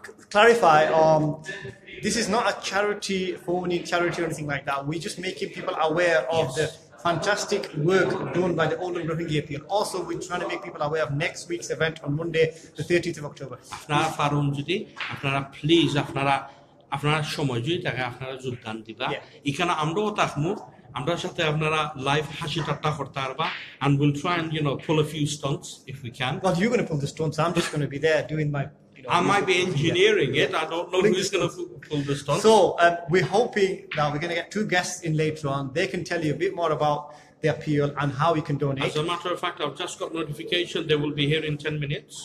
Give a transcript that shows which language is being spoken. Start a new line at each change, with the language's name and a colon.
English: Clarify, this is not a charity, phoning charity or anything like that. We're just making people aware of yes. the fantastic work done by the Oldham Rohingya Appeal. Also, we're trying to make people aware of next week's event on Monday, the 30th of October.
Bangla: আপনারা ফারুন যদি আপনারা please আপনারা আপনারা সময় যদি থাকে আপনারা যোগদান দিবা এখানে আমরাও থাকবো আমরা সাথে আপনারা লাইভ হাসি ঠাট্টা করতে পারবা
English: and we'll try and you know pull a few stunts if we can. Well, you're going to pull the stunts. I'm just going to be there doing my I might be engineering it. I don't know who's going to pull the stunt. So we're hoping that we're going to get two guests in later on. They can tell you a bit more about the appeal and how you can donate. As a matter of fact, I've just got notification. They will be here in 10 minutes.